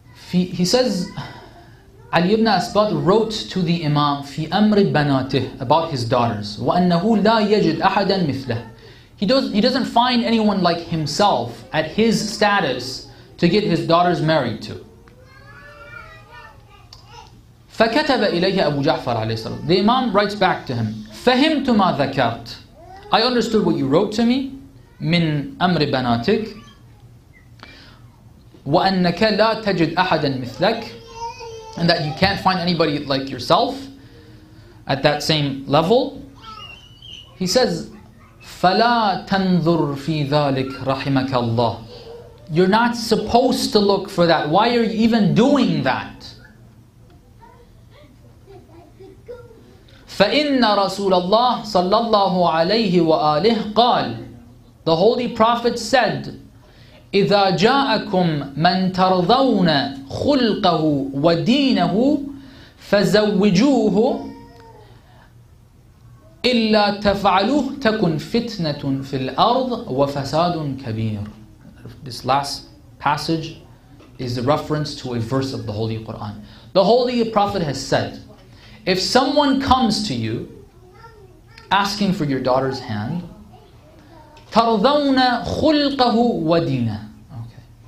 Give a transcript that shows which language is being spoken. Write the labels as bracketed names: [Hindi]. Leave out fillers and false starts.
[English] He says, Ali ibn Asbat wrote to the Imam [Arabic] fi amri banatih, [English] about his daughters, [Arabic] wa annahu la yajid ahadan mithlah. [English] He doesn't find anyone like himself at his status to get his daughters married to. [Arabic] فكتب إليه أبو جعفر عليه السلام. [English] The Imam writes back to him. [Arabic] فهمت ما ذكرت. [English] I understood what you wrote to me [Arabic] من أمر بناتك. وأنك لا تجد أحدا مثلك. [English] And that you can't find anybody like yourself at that same level. He says, [Arabic] فلا تنظر في ذلك رحمك الله. [English] You're not supposed to look for that. Why are you even doing that? [Arabic] فَإِنَّ رَسُولَ اللَّهِ صَلَّى اللَّهُ عَلَيْهِ وَآلِهِ قَالْ. [English] The Holy Prophet said, [Arabic] إِذَا جَاءَكُمْ مَنْ تَرْضَوْنَ خُلْقَهُ وَدِينَهُ فَزَوِّجُوهُ إِلَّا تَفْعَلُوهُ تَكُنْ فِتْنَةٌ فِي الْأَرْضِ وَفَسَادٌ كَبِيرٌ. [English] This last passage is a reference to a verse of the Holy Quran. The Holy Prophet has said, if someone comes to you asking for your daughter's hand, [Arabic] تَرْضَوْنَ خُلْقَهُ وَدِينَ. [English] Okay.